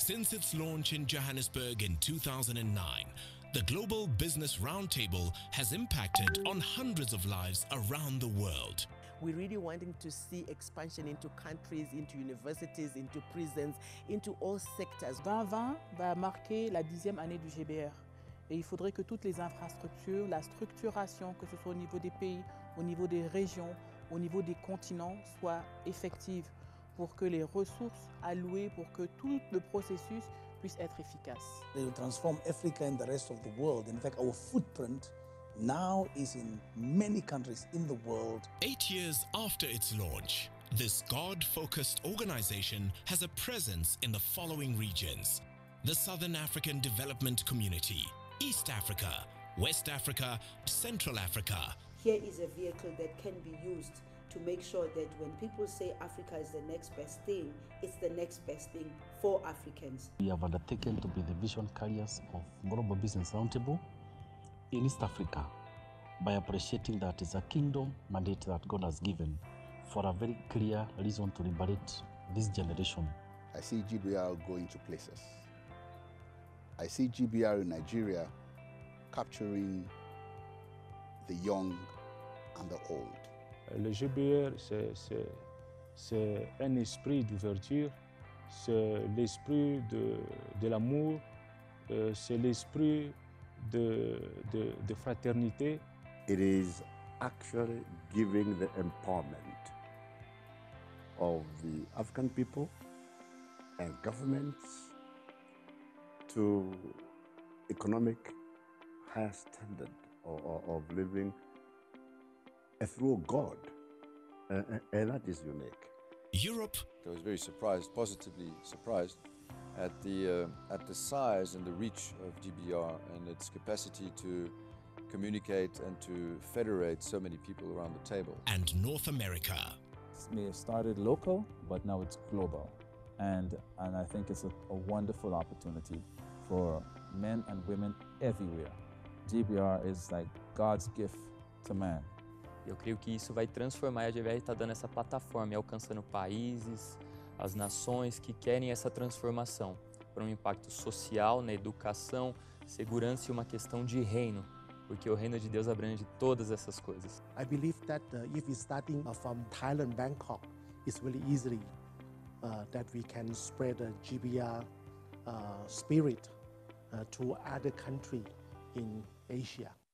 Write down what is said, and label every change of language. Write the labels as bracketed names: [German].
[English] Since its launch in Johannesburg in 2009, the Global Business Roundtable has impacted on hundreds of lives around the world. We're really wanting to see expansion into countries, into universities, into prisons, into all sectors. [French] 2020 va marquer la 10e année du GBR. Et il faudrait que toutes les infrastructures, la structuration, que ce soit au niveau des pays, au niveau des régions, au niveau des continents, soient effectives pour que les ressources allouées, pour que tout le processus puisse être efficace. [English] They will transform Africa and the rest of the world. In fact, our footprint now is in many countries in the world. 8 years after its launch, this God-focused organization has a presence in the following regions: the Southern African Development Community, East Africa, West Africa, Central Africa. Here is a vehicle that can be used to make sure that when people say Africa is the next best thing, it's the next best thing for Africans. We have undertaken to be the vision carriers of Global Business Roundtable in East Africa by appreciating that it's a kingdom mandate that God has given for a very clear reason to liberate this generation. I see GBR going to places. I see GBR in Nigeria capturing the young and the old. [French] Le GBR, c'est un esprit d'ouverture, c'est l'esprit de l'amour, c'est l'esprit de fraternité. [English] It is actually giving the empowerment of the African people and governments to economic higher standard of living through God, and that is unique. Europe. I was very surprised, positively surprised, at the size and the reach of GBR and its capacity to communicate and to federate so many people around the table. And North America. It may have started local, but now it's global. And I think it's a wonderful opportunity for men and women everywhere. GBR is like God's gift to man. [Portuguese] Eu creio que isso vai transformar, a GBR está dando essa plataforma e alcançando países, as nações que querem essa transformação para um impacto social, na educação, segurança e uma questão de reino, porque o reino de Deus abrange todas essas coisas. [English] I believe that if we start from Thailand, Bangkok, it's really easily that we can spread the GBR spirit to other countries in Asia.